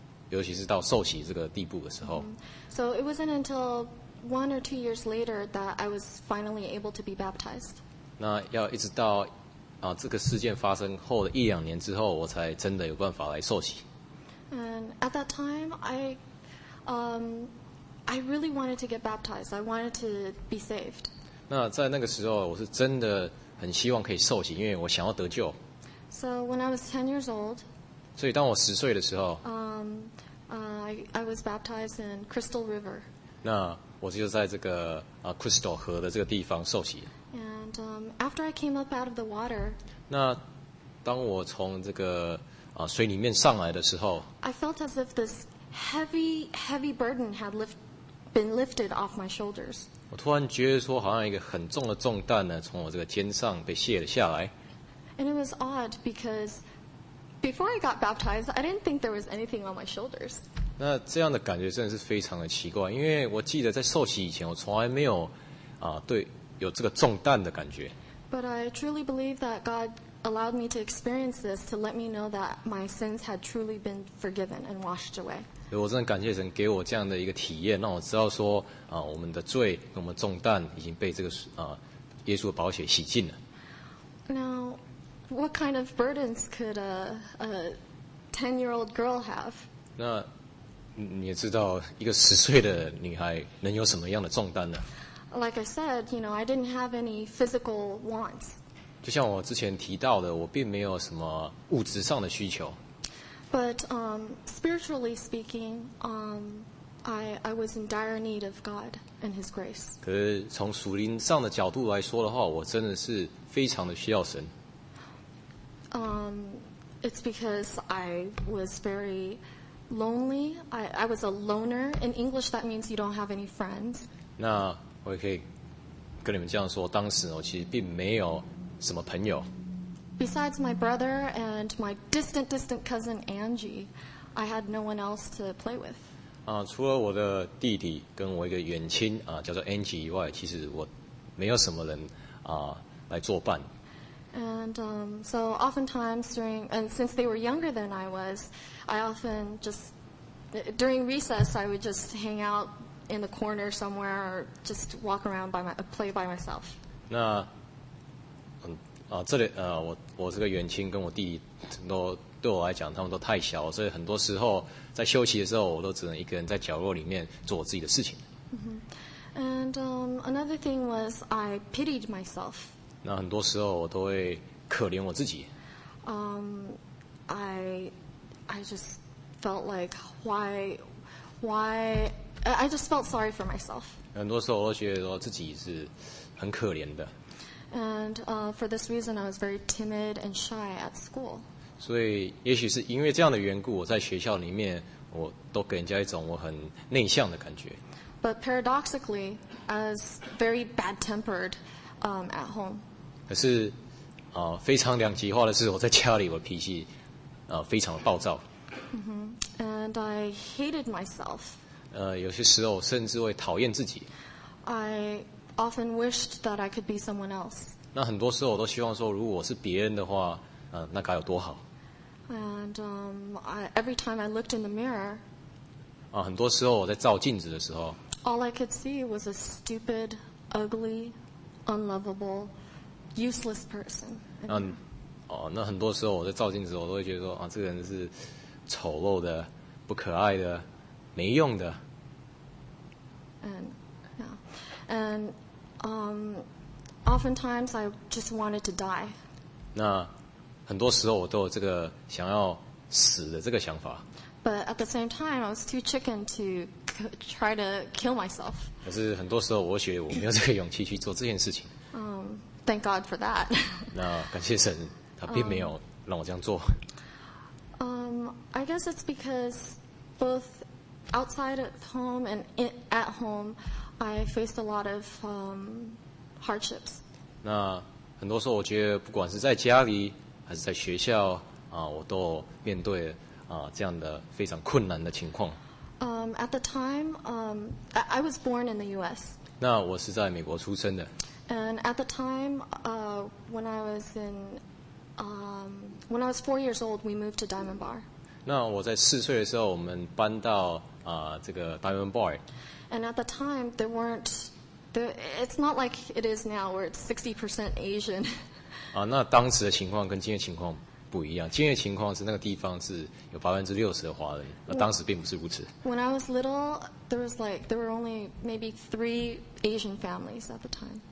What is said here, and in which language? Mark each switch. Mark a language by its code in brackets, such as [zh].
[zh] 尤其是到受洗这个地步的时候。 [en] So it wasn't until 1 or 2 years later that I was finally able to be baptized. [zh] 那要一直到这个事件发生后的一两年之后，我才真的有办法来受洗。 [en] And at that time, I really wanted to get baptized. I wanted to be saved. [zh] 那在那个时候，我是真的很希望可以受洗，因为我想要得救。 [en] So when I was 10 years old, [zh] 所以当我十岁的时候， [en] I was baptized in Crystal River. [zh] 那我就在这个Crystal 河的这个地方受洗。 [en] And after I came up out of the water, [zh] 那当我从这个水里面上来的时候， [en] I felt as if this heavy burden had been lifted off my shoulders. [zh] 我突然觉得说，好像一个很重的重担呢，从我这个肩上被卸了下来。 [en] And it was odd because before I got baptized, I didn't think there was anything on my shoulders. [zh] 那这样的感觉真的是非常的奇怪，因为我记得在受洗以前，我从来没有对有这个重担的感觉。 [en] But I truly believe that God allowed me to experience this to let me know that my sins had truly been forgiven and washed away. [zh] 所以我真的感谢神给我这样的一个体验，让我知道说我们的罪、我们重担已经被这个耶稣的宝血洗净了。 [en] Now, what kind of burdens could a 10-year-old girl have? [zh] 那你也知道，一个十岁的女孩能有什么样的重担呢？ [en] Like I said, you know, I didn't have any physical wants. [zh] 就像我之前提到的，我并没有什么物质上的需求。 [en] But spiritually speaking, I was in dire need of God and His grace. [zh] 可是从属灵上的角度来说的话，我真的是非常的需要神。 [en] It's because I was very lonely. I was a loner. In English, that means you don't have any friends. [zh] 那我也可以跟你们这样说，当时我其实并没有什么朋友。 [en] Besides my brother and my distant cousin Angie, I had no one else to play with. [zh] 除了我的弟弟跟我一个远亲叫做 Angie 以外，其实我没有什么人来作伴。 [en] And so oftentimes during, and since they were younger than I was, I often just, during recess, I would just hang out in the corner somewhere or just walk around by my, play by myself. [zh] 那啊，这里我这个远亲跟我弟弟都对我来讲，他们都太小，所以很多时候在休息的时候，我都只能一个人在角落里面做我自己的事情。 [en] And another thing was I pitied myself. [zh] 那很多时候我都会可怜我自己。 [en] I just felt like I just felt sorry for myself. [zh] 很多时候我都觉得说自己是很可怜的。 [en] And for this reason, I was very timid and shy at school. [zh] 所以也许是因为这样的缘故，我在学校里面我都给人家一种我很内向的感觉。 [en] But paradoxically, I was very bad-tempered at home. [zh] 可是非常两极化的是，我在家里我脾气非常的暴躁。 [en] And I hated myself. [zh] 有些时候我甚至会讨厌自己。 [en] I often wished that I could be someone else. [zh] 那很多时候我都希望说，如果我是别人的话，那该有多好。 [en] And every time I looked in the mirror. [zh] 很多时候我在照镜子的时候。 [en] All I could see was a stupid, ugly, unlovable, useless person. [zh] 那很多时候我在照镜子，我都会觉得说，这个人是丑陋的、不可爱的、没用的。 [en] And oftentimes I just wanted to die. [zh] 那很多时候我都有这个想要死的这个想法。 [en] But at the same time, I was too chicken to try to kill myself. [zh] 可是很多时候我觉得我没有这个勇气去做这件事情。 [en] Thank God for that. [zh] 那感谢神，他并没有让我这样做。 [en] I guess it's because both outside of home and at home, I faced a lot of hardships. [zh] 那很多时候我觉得不管是在家里还是在学校我都面对这样的非常困难的情况。 [en] At the time, I was born in the U.S. [zh] 那我是在美国出生的。 [en] And at the time, when I was in, when I was 4 years old, we moved to Diamond Bar. [zh] 那我在四岁的时候，我们搬到这个 Diamond Bar。 [en] And at the time, there weren't, it's not like it is now, where it's 60% Asian. [zh] 那当时的情况跟今天情况不一样，今天的情况是那个地方是有60%的华人，那当时并不是如此。 [en] When I was little, there were only maybe 3 Asian families at the time.